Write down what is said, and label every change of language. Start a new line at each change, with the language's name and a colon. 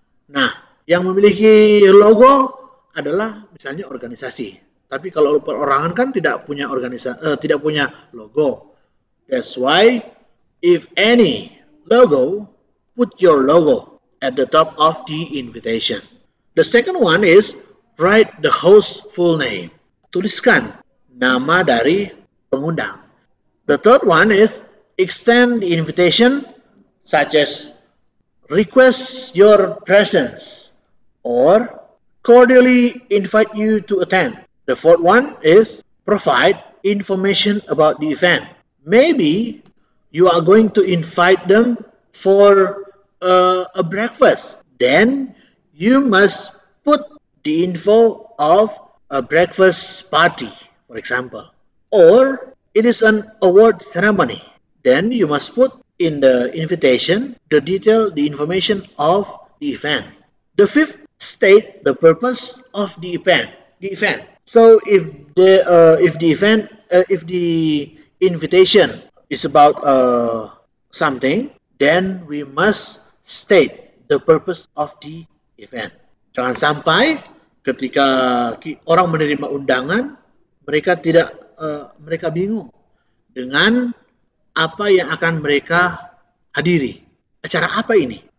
Indonesian: Nah, yang memiliki logo adalah misalnya organisasi. Tapi kalau perorangan kan tidak punya tidak punya logo.
English: That's why if any logo, put your logo at the top of the invitation. The second one is write the host full name.
Indonesian: Tuliskan nama dari pengundang.
English: The third one is extend the invitation, such as request your presence or cordially invite you to attend. The fourth one is provide information about the event. Maybe you are going to invite them for a breakfast. Then you must put the info of a breakfast party, for example. Or it is an award ceremony. Then you must put in the invitation the detail, the information of the event. The fifth, state the purpose of the event. So if the invitation is about something, then we must state the purpose of the event.
Indonesian: Jangan sampai ketika orang menerima undangan, mereka tidak mereka bingung dengan apa yang akan mereka hadiri. Acara apa ini?